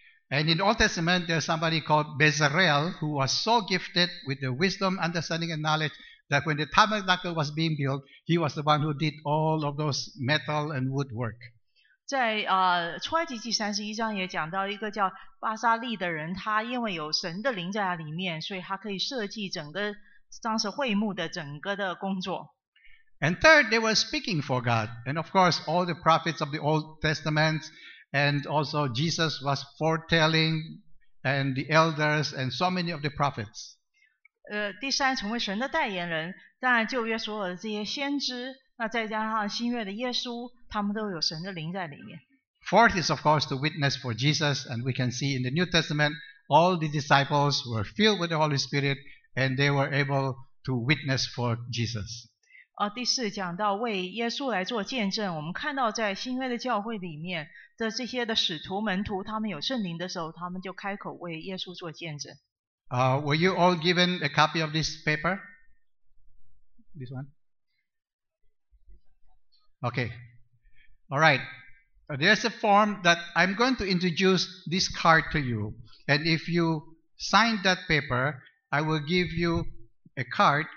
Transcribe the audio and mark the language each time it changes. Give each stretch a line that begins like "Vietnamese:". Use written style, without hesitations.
English: And in the Old Testament, there's somebody called Bezalel who was so gifted with the wisdom, understanding, and knowledge. That when the tabernacle was being built, he was the one who did all of those metal and wood work.
Chinese: 在出埃及记31章也讲到一个叫巴沙利的人，他因为有神的灵在里面，所以他可以设计整个当时会幕的整个的工作。
English: And third, they were speaking for God. And of course, all the prophets of the Old Testament and also Jesus was foretelling and the elders and so many of the prophets.
Chinese: 第三，成为神的代言人，当然旧约所有的这些先知，那再加上新约的耶稣，他们都有神的灵在里面。
English: Fourth is of course to witness for Jesus, and we can see in the New Testament all the disciples were filled with the Holy Spirit and they were able to witness for Jesus.
Chinese: 第四讲到为耶稣来做见证，我们看到在新约的教会里面的这些的使徒门徒，他们有圣灵的时候，他们就开口为耶稣做见证。
English: Were you all given a copy of this paper? This one? Okay. All right. There's a form that I'm going to introduce this card to you. And if you sign that paper, I will give you a card.